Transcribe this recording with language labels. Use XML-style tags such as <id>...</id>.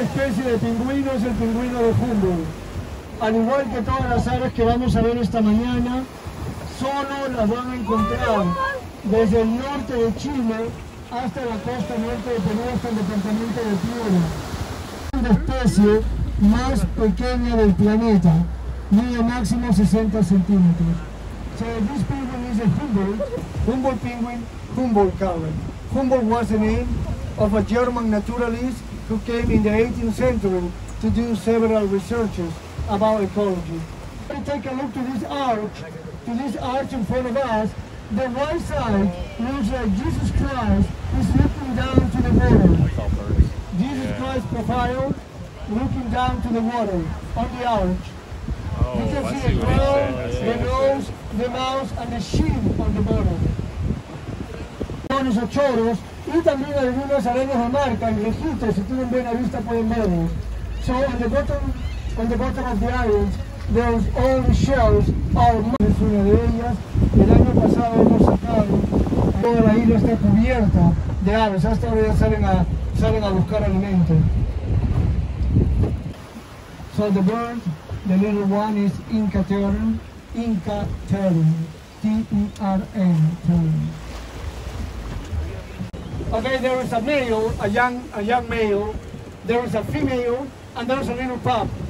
<es>Esta especie de pingüino es el pingüino de Humboldt. Al igual que todas las aves que vamos a ver esta mañana, solo las van a encontrar desde el norte de Chile hasta la costa norte de Perú, hasta el departamento de Piura. Es la especie más pequeña del planeta, mide máximo 60 centímetros.</es> <en>So this penguin is a Humboldt penguin, Humboldt cavern. Humboldt was the name of a German naturalist who came in the 18th century to do several researches about ecology. We take a look to this arch in front of us. The right side looks like Jesus Christ is looking down to the water. Jesus Christ profile looking down to the water on the arch. Oh, you can I see the crown, the nose, the mouth, and the chin on the bottom. One is a choros,</en> <es>y también algunas arañas de mar, cangrejitos, si tienen buena vista pueden verlos.</es> <en>So on the bottom of the islands, there's all shells, all</en> <es>es una de ellas. El año pasado hemos sacado, toda la isla está cubierta de aves, hasta ahora ya salen a buscar alimento.</es> <en>So the bird, the little one is Inca Tern, Inca Tern, T-E-R-N, Tern. Okay, there is a male, a young male, there is a female, and there is a little pup.</en>